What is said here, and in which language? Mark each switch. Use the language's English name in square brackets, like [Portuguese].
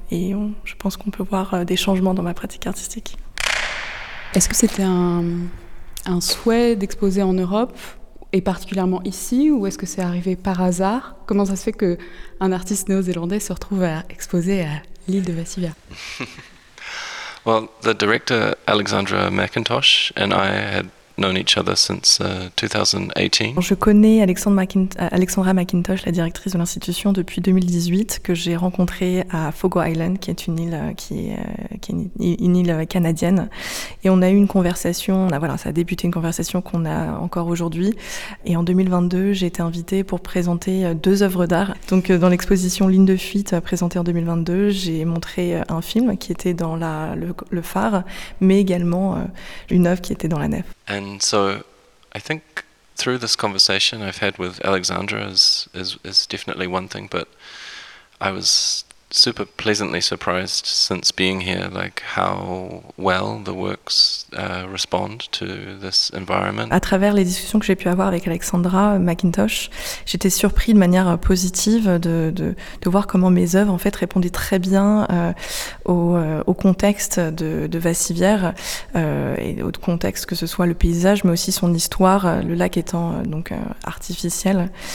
[French] Et je pense qu'on peut voir des changements dans ma pratique artistique. Est-ce que c'était un souhait d'exposer en Europe, et particulièrement ici, ou est-ce que c'est arrivé par hasard? Comment ça se fait qu'un artiste néo-zélandais se retrouve à exposer à l'île de Vassivière? [English] Well, the director Alexandra McIntosh and I had known each other since 2018. [French] Je connais Alexandra McIntosh, la directrice de l'institution, depuis 2018, que j'ai rencontrée à Fogo Island, qui est une île qui est une île canadienne. Et on a eu une conversation, ça a débuté une conversation qu'on a encore aujourd'hui. Et en 2022, j'ai été invitée pour présenter deux œuvres d'art. Donc dans l'exposition Ligne de fuite présentée en 2022, j'ai montré un film qui était dans le phare, mais également une œuvre qui était dans la nef. [English] And so I think through this conversation I've had with Alexandra is definitely one thing, but I was super pleasantly surprised since being here, like how well the works respond to this environment. [French] À travers les discussions que j'ai pu avoir avec Alexandra McIntosh, j'étais surpris de manière positive de voir comment mes œuvres en fait répondaient très bien au contexte de Vassivière et au contexte que ce soit le paysage, mais aussi son histoire, le lac étant artificiel.